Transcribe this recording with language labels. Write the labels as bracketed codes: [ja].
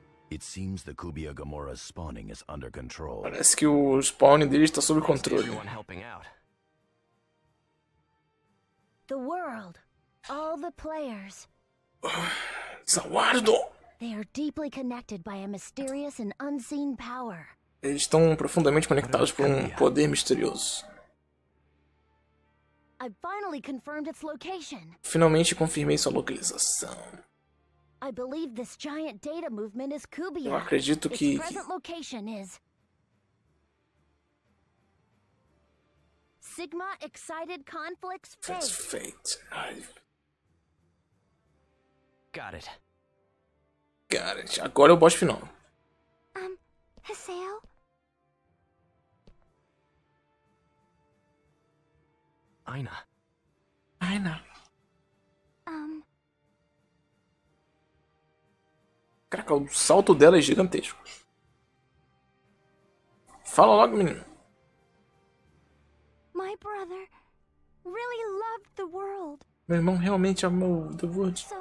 [en] It seems the Kubia Gamora's spawning is under control. [pt] Parece que o spawning dele está sob controle. [en] The world, all the players. Zawardo. They are deeply connected by a mysterious and unseen power. [pt] Eles estão profundamente conectados por um poder misterioso. [en] I finally confirmed its location. [pt] Finalmente confirmei sua localização. [en] I believe this giant data movement is Kubia. [pt] Eu acredito que [en] its present location is Sigma Excited Conflicts Fate. That's fate. Got it. Got it. [pt] Agora é o boss final. Hasael? Aina. Aina. Caraca, o salto dela é gigantesco. Fala logo, menino. [en] My brother really loved the world. [pt] Meu irmão realmente amou the world.